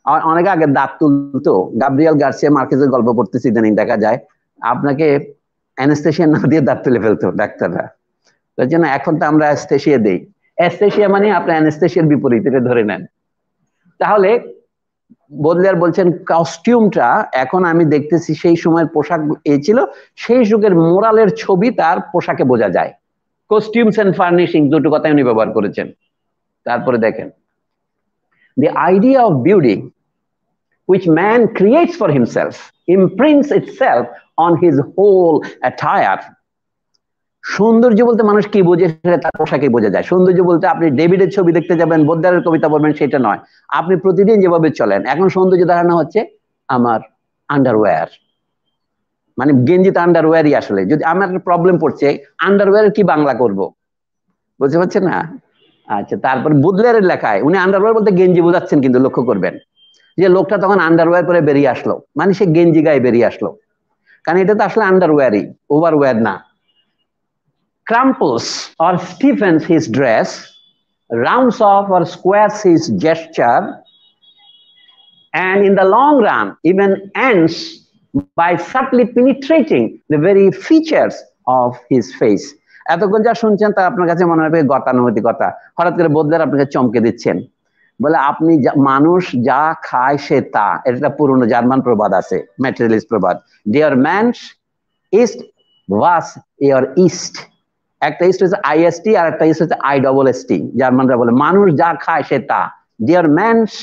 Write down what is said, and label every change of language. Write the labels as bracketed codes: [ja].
[bn] অনেকে আগে দাঁত তুলতো, গাব্রিয়েল গার্সিয়া মার্কেজের গল্প পড়তেছি ইদানিং, দেখা যায় আপনাকে অ্যানেস্থেশিয়া না দিয়ে দাঁত তুলে ফেলতো ডাক্তাররা, তার জন্য এখন তো আমরা অ্যাস্থেশিয়া দিই, অ্যাস্থেশিয়া মানে আপনার অ্যানেস্থেশিয়ার বিপরীত, এটা ধরে নেন। তাহলে বোদলিয়ার বলছেন কস্টিউমটা এখন আমি দেখতেছি সেই সময়ের পোশাক এ ছিল, সেই যুগের মোরালের ছবি তার পোশাকে বোঝা যায়। কস্টিউমস অ্যান্ড ফার্নিশিং দুটো কথাই উনি ব্যবহার করেছেন। তারপরে দেখেন, [en] the idea of beauty which man creates for himself imprints itself on his whole attire. [bn] সৌন্দর্য বলতে মানুষ কি বোঝে সেটা তার পোশাকে বোঝা যায়। সৌন্দর্য বলতে আপনি ডেভিডের ছবি দেখতে যাবেন, বোদলিয়ারের কবিতা পড়বেন সেটা নয়, আপনি প্রতিদিন যেভাবে চলেন, এখন সৌন্দর্য দাঁড়ানো হচ্ছে আমার আন্ডারওয়্যার, মানে গেঞ্জি তো আন্ডারওয়্যারই আসলে, যদি আমার প্রবলেম পড়ছে আন্ডারওয়্যার কি বাংলা করব, বুঝতে পারছেন না? আচ্ছা, তারপর বোদলিয়ারের লেখায় উনি আন্ডারওয়্যার বলতে গেঞ্জি বোঝাচ্ছেন, কিন্তু লক্ষ্য করবেন যে লোকটা তখন আন্ডারওয়্যার পরে বেরিয়ে আসলো, মানে সে গেঞ্জি গায়ে বেরিয়ে আসলো, কারণ এটা তো আসলে আন্ডারওয়্যারই, ওভারওয়্যার না। [en] Crumples or stiffens his dress, rounds off or squares his gesture, and in the long run even ends by subtly penetrating the very features of his face. [bn] এতক্ষণ যা শুনছেন তা আপনার কাছে মনে হবে গতানুগতিক কথা, হঠাৎ করে বোদলিয়ার আপনাকে চমকে দিচ্ছেন, বলে আপনি মানুষ যা খায় সে তা, এটা পুরনো জার্মান প্রবাদ আছে, ম্যাটেরিয়ালিস্ট প্রবাদ, [de] ডিয়ার ম্যান ইস্ট ওয়াস ইয়ার ইস্ট, [bn] একটা ইস্ট হচ্ছে IST আর একটা ইস্ট হচ্ছে IST, জার্মানরা বলে মানুষ যা খায় সে তা, ডিয়ার ম্যান